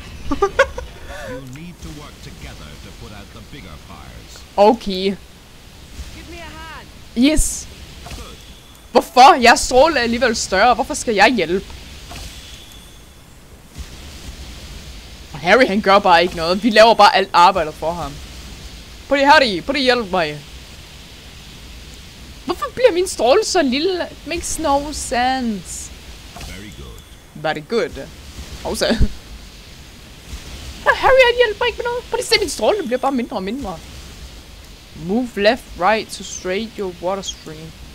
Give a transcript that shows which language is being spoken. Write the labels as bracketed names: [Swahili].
[English] You need to work together to put out the bigger fires. Okay. Give me a hand. Yes. [Danish] Hvorfor? Jeg stråle er alligevel større. Hvorfor skal jeg hjælpe? Og Harry, han gør bare ikke noget. Vi laver bare alt arbejdet for ham. Prøv Harry, prøv lige hjælp mig. Hvorfor bliver min stråle så lille? [English] It makes no sense. Very good. [Danish] Hovsa. Harry, han hjælper ikke med noget. Prøv at se, min stråle bliver bare mindre og mindre. [English] Move left, right to straight your water stream.